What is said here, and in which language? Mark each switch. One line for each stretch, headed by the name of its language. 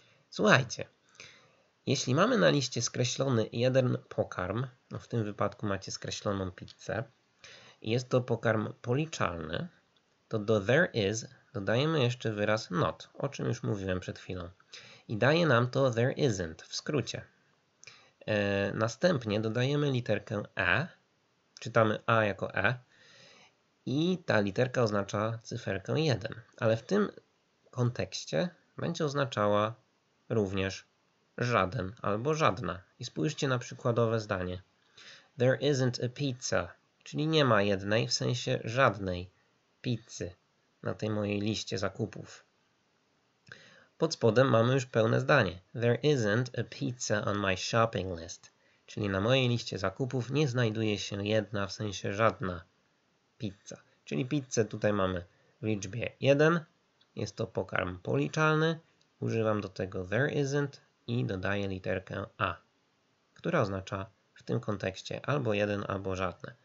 Polish: Słuchajcie, jeśli mamy na liście skreślony jeden pokarm, no w tym wypadku macie skreśloną pizzę, i jest to pokarm policzalny, to do
English: there is
Polish: dodajemy jeszcze wyraz not, o czym już mówiłem przed chwilą. I daje nam to
English: there isn't
Polish: w skrócie. Następnie dodajemy literkę e, czytamy a jako e i ta literka oznacza cyferkę 1, ale w tym kontekście będzie oznaczała również żaden albo żadna. I spójrzcie na przykładowe zdanie.
English: There isn't a pizza,
Polish: czyli nie ma jednej, w sensie żadnej pizzy na tej mojej liście zakupów. Pod spodem mamy już pełne zdanie.
English: There isn't a pizza on my shopping list.
Polish: Czyli na mojej liście zakupów nie znajduje się jedna, w sensie żadna pizza. Czyli pizzę tutaj mamy w liczbie 1. Jest to pokarm policzalny. Używam do tego
English: there isn't
Polish: i dodaję literkę a, która oznacza w tym kontekście albo jeden, albo żadne.